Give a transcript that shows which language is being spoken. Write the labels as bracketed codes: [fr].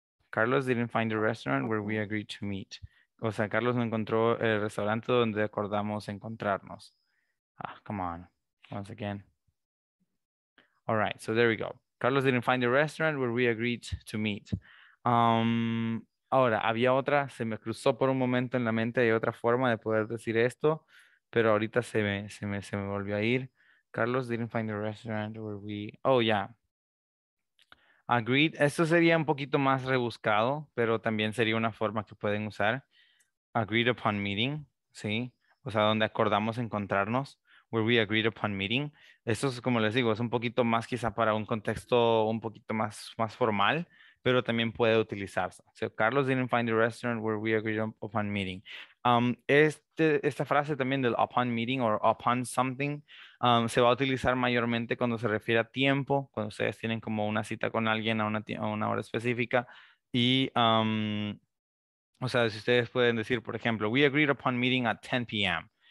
[en] Carlos didn't find the restaurant where we agreed to meet. [es] O sea, Carlos no encontró el restaurante donde acordamos encontrarnos. [en] Ah, come on. Once again. All right, so there we go. Carlos didn't find the restaurant where we agreed to meet. [es] Ahora, había otra, se me cruzó por un momento en la mente, hay otra forma de poder decir esto, pero ahorita se me volvió a ir. [en] Carlos didn't find the restaurant where we... Oh, yeah. Agreed. [es] Esto sería un poquito más rebuscado, pero también sería una forma que pueden usar. [en] Agreed upon meeting, ¿sí? [es] O sea, donde acordamos encontrarnos, [en] where we agreed upon meeting. [es] Esto es, como les digo, es un poquito más quizá para un contexto un poquito más formal, pero también puede utilizarse. [en] So, Carlos didn't find the restaurant where we agreed upon meeting. [es] Esta frase también del upon meeting or upon something se va a utilizar mayormente cuando se refiere a tiempo, cuando ustedes tienen como una cita con alguien a una hora específica y... O sea, si ustedes pueden decir, por ejemplo, [en] we agreed upon meeting at 10 p.m.